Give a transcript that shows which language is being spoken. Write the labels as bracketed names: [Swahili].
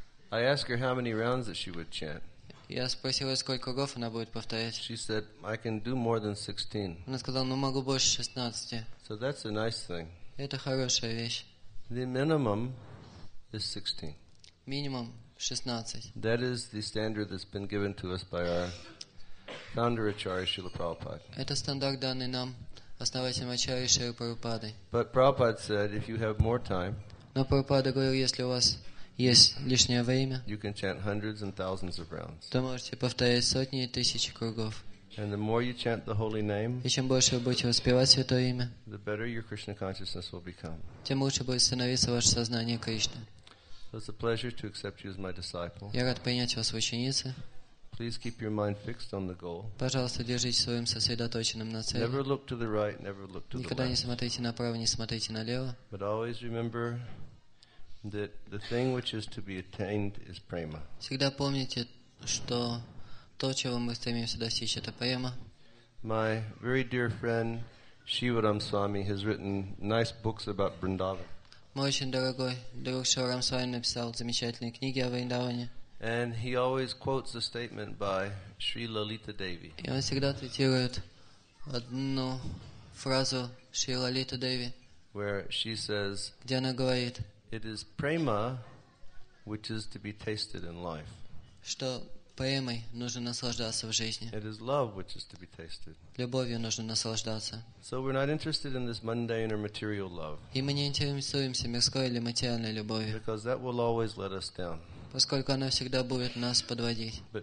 [English] I asked her how many rounds that she would chant. [Russian] Я спросил, сколько кругов она будет повторять. [English] She said, I can do more than 16. [Russian] Она сказала, ну могу больше 16. [English] So that's a nice thing. [Russian] Это хорошая вещь. [English] The minimum is 16. [Russian] Минимум 16. [English] That is the standard that's been given to us by our founder Acharya Srila Prabhupada. [Russian] Это стандарт, данный нам основателем Ачарьи Шрилы Прабхупады. [English] But Prabhupada said, if you have more time, [Russian] но Прабхупада говорил, если у вас есть лишнее время, [English] you can chant hundreds and thousands of rounds. [Russian] То можете повторять сотни и тысячи кругов. [English] And the more you chant the holy name, [Russian] и чем больше вы будете воспевать святое имя, [English] the better your Krishna consciousness will become. [Russian] Тем лучше будет становиться ваше сознание Кришны. [English] So it's a pleasure to accept you as my disciple. [Russian] Я рад принять вас в ученицы. [English] Please keep your mind fixed on the goal. [Russian] Пожалуйста, держите своим сосредоточенным на цели. [English] Never look to the right, never look to the left. [Russian] Никогда не смотрите направо, не смотрите налево. [English] But always remember that the thing which is to be attained is prema. [Russian] Всегда помните, что то, чего мы стремимся достичь, это према. [English] My very dear friend Shivaram Swami has written nice books about Vrindavan. [Russian] Мой очень дорогой друг Шиварам Свами написал замечательные книги о Вриндаване. [English] And he always quotes a statement by Sri Lalita Devi. [Russian] И он всегда цитирует одну фразу Шри Лалита Деви, [English] where she says, [Russian] где она говорит, [English] it is prema which is to be tasted in life. [Russian] Что премой нужно наслаждаться в жизни. [English] It is love which is to be tasted. [Russian] Любовью нужно наслаждаться. [English] So we're not interested in this mundane or material love. [Russian] И мы не интересуемся мирской или материальной любовью. [English] Because that will always let us down. [Russian] Поскольку она всегда будет нас подводить.